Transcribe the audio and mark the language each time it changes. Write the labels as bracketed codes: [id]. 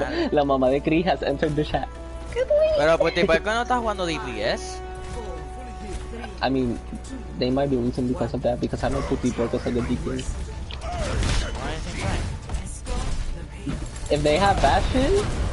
[es] La mamá de [en] Kree has entered the chat. [es] Pero, pues, ¿por qué no estás jugando DPS? [en] I mean, they might be losing because of that, because I know two people because of the DPS. If they have Bastion.